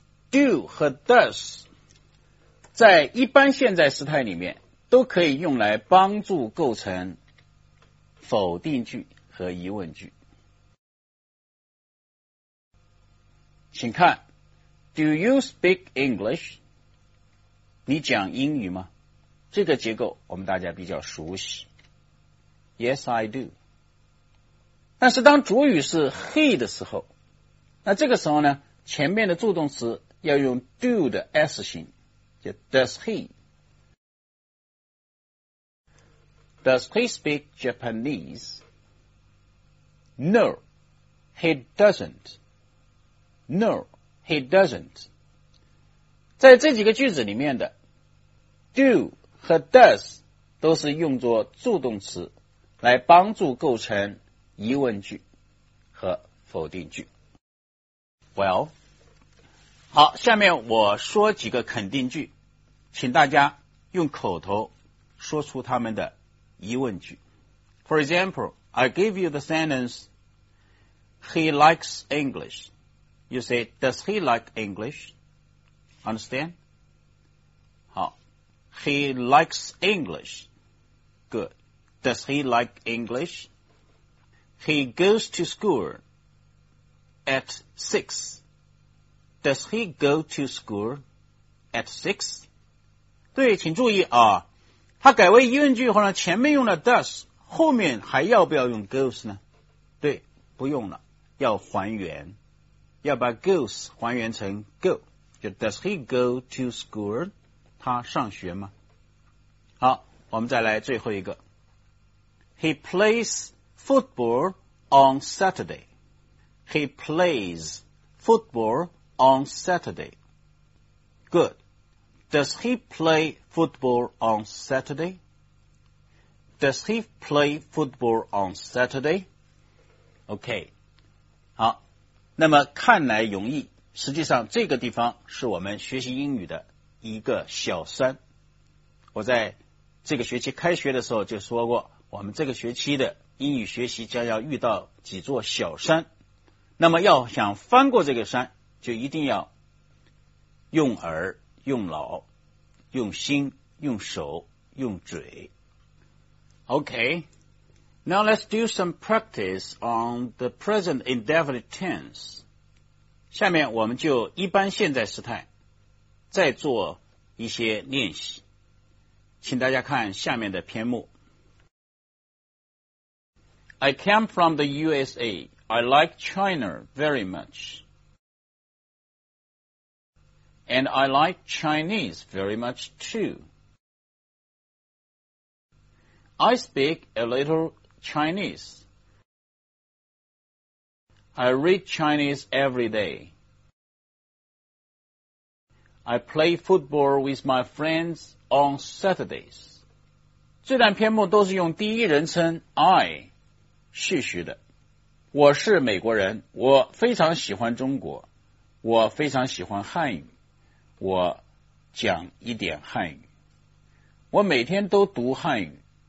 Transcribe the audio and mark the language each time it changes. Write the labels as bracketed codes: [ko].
[zh] do 和 does 在一般现在时态里面都可以用来帮助构成否定句和疑问句。请看 [en] Do you speak English? [zh] 你讲英语吗？这个结构我们大家比较熟悉。 [en] Yes, I do. [zh] 但是当主语是 he 的时候，那这个时候呢，前面的助动词要用 do 的 S 型，就 [en] does he。 Does he speak Japanese? No, he doesn't. No, he doesn't. [zh] 在这几个句子里面的 do 和 does 都是用作助动词来帮助构成疑问句和否定句。 Well, 好，下面我说几个肯定句，请大家用口头说出他们的疑问句。 [en] For example, I give you the sentence, He likes English. You say, does he like English? Understand? 好 He likes English. Good. Does he like English? He goes to school at 6. Does he go to school at 6? [zh] 对，请注意啊，他改为疑问句后呢，前面用了 does, 后面还要不要用 goes 呢？对，不用了，要还原。要把 goes 还原成 go, 就 [en] does he go to school? [zh] 他上学吗？好，我们再来最后一个。 [en] He plays football on Saturday. He plays football on Saturday. Good. Does he play football on Saturday? Does he play football on Saturday? Okay. 好。 [zh] 那么看来容易，实际上这个地方是我们学习英语的一个小酸。我在这个学期开学的时候就说过，我们这个学期的英语学习将要遇到几座小山，那么要想翻过这个山，就一定要用耳、用脑、用心、用手、用嘴。 [en] OK, Now let's do some practice on the present indefinite tense. [zh] 下面我们就一般现在时态再做一些练习。请大家看下面的篇目。 [en] I came from the USA. I like China very much. And I like Chinese very much too. I speak a little Chinese. I read Chinese every day. I play football with my friends on Saturdays. [zh] 这段篇目都是用第一人称 I 叙述的。我是美国人，我非常喜欢中国，我非常喜欢汉语，我讲一点汉语，我每天都读汉语。